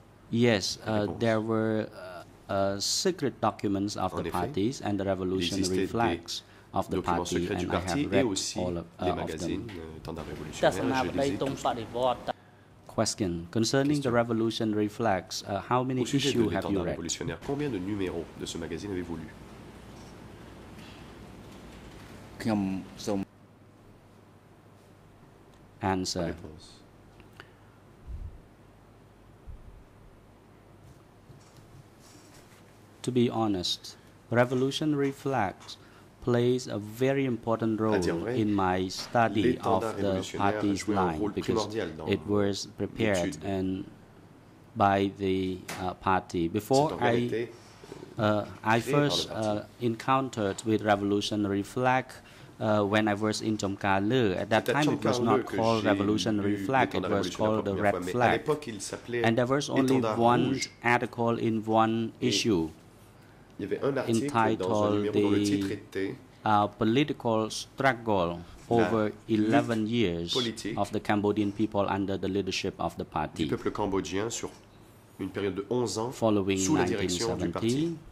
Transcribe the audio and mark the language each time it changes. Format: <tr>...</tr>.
<en>Yes, there were secret documents of the parties and the revolutionary flags of the party, and I have read all of them. Question. Concerning the revolutionary flags, how many issues have you read?</en> <fr>Combien de numéros de ce magazine avez-vous lu?</fr> <en>Answer. To be honest, revolutionary flags plays a very important role in my study of the party's line because it was prepared and by the party. Before I first encountered with revolutionary flag when I was in Chomkalu, at that time it was not called revolutionary flag, it was called the red flag. And there was only one article in one issue.</en> <fr>Il y avait un article</fr> <en>entitled</en> <fr>dans un numéro de titre était</fr> <en>Political Struggle Over 11 Years of the Cambodian People Under the Leadership of the Party.</en> <fr>Du peuple cambodgien sur une période de 11 ans sous la direction du parti.</fr>